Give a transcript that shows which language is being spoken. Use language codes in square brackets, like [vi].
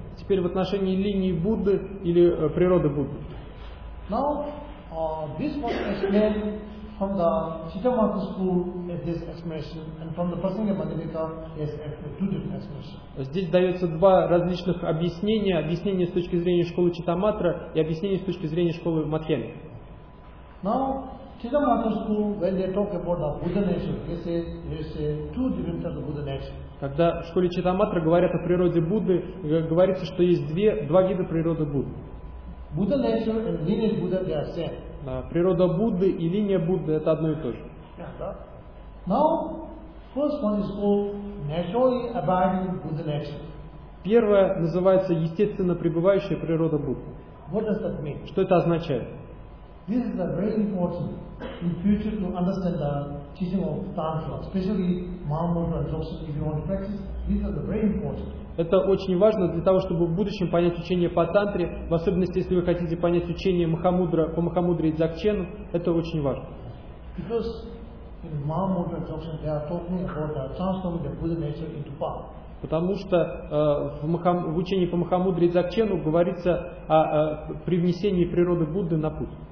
[ru] Теперь в отношении линии Будды или природы Будды. [en] Now, this was explained from the Chittamatha school in this explanation, and from the Prasanga Madhyamika is two different explanations. [ru] Здесь дается два различных объяснения: объяснение с точки зрения школы Читаматра и объяснение с точки зрения школы Мадхьяны. [en] Now, Chittamatha school, when they talk about the Buddha nature, they say two different types of Buddha nature. [ru] Когда в школе Читаматра говорят о природе Будды, говорится, что есть два вида природы Будды. [en] Buddha nature and lineage Buddha, they are same. [ru] Природа Будды и линия Будды – это одно и то же. [en] Now, first one is called naturally abiding Buddha nature. [ru] Первое называется естественно пребывающая природа Будды. [en] What does that mean? [ru] Что это означает? [en] This is very important in future to understand the teaching of Tantra, especially Mahamudra and Dzogchen. If you want to practice, these are very important. [ru] Это очень важно для того, чтобы в будущем понять учение по тантре, в особенности, если вы хотите понять учение Махамудра, по Махамудре и Дзогчену, это очень важно. [en] Because in Mahamudra and Dzogchen they are talking about transforming the Buddha nature into power. [ru] Потому что в учении по Махамудре и Дзогчену говорится о привнесении природы Будды на путь.